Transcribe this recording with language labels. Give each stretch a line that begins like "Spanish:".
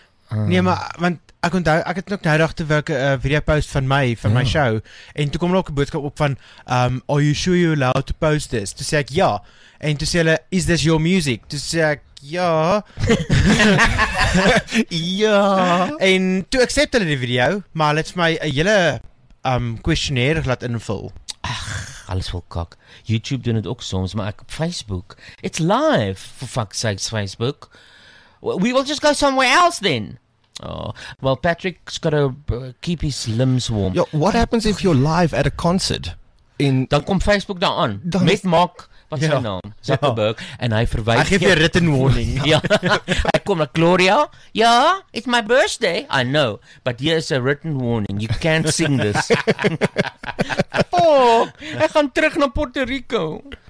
Afrikaans: Nee, maar want ek onthou ek het ook nou dag toe werk 'n video post van my van my show en toe kom daar ook 'n boodskap op van are you sure you're allowed to post this? Toe sê ek ja. En toe sê hulle is this your music? Toe sê ek ja. ja. En toe accept hulle die video, maar hulle het vir my 'n hele questionnaire laat invul. Ag, alles wil kak. YouTube doen het ook soms, maar ek op Facebook.
English: It's live, for fuck's sake, Facebook. We will just go somewhere else then. Oh, well, Patrick's got to keep his limbs warm. Yo, what happens if you're live at a concert? In
Afrikaans: dan kom Facebook daar aan. Met Mark, wat is sy naam? Zuckerberg. En hy verwijt... Hy geef je written warning. ja, hy kom naar Gloria. Ja, it's my birthday.
English: I know, but here's a written warning. You can't sing this.
Afrikaans: Fuck, hy gaan terug naar Puerto Rico.